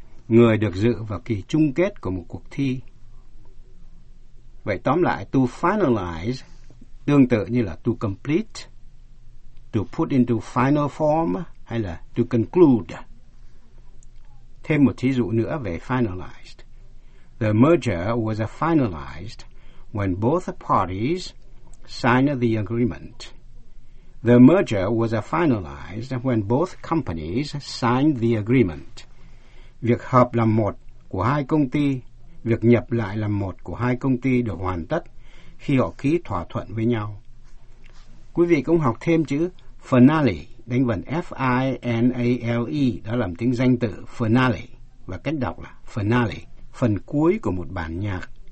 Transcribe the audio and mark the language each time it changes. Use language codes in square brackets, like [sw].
[vi] Người được dự vào kỳ chung kết của một cuộc thi. Vậy tóm lại, to finalize tương tự như là to complete, [en] to put into final form [vi] hay là to conclude. Thêm một thí dụ nữa về finalized. [en] The merger was finalized when both parties signed the agreement. The merger was finalized when both companies signed the agreement. [vi] Việc hợp làm một của hai công ty, việc nhập lại làm một của hai công ty được hoàn tất khi họ ký thỏa thuận với nhau. Quý vị cũng học thêm chữ finale, đánh vần F-I-N-A-L-E, đó làm tiếng danh từ finale, và cách đọc là finale. Phần cuối của một bản nhạc,